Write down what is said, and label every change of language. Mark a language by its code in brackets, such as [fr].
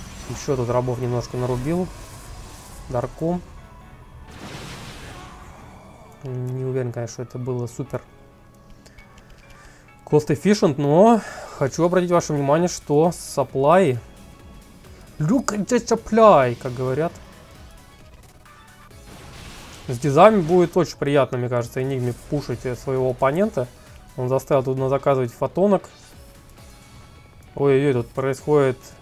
[ru] Еще тут рабов немножко нарубил. Дарком. Не уверен, конечно, что это было супер [en] cost efficient, [ru] но хочу обратить ваше внимание, что supply. [en] Look at the supply, [ru] как говорят. С дизами будет очень приятно, мне кажется, Энигме пушить своего оппонента. Он заставил тут назаказывать фотонок. Ой-ой-ой, тут происходит.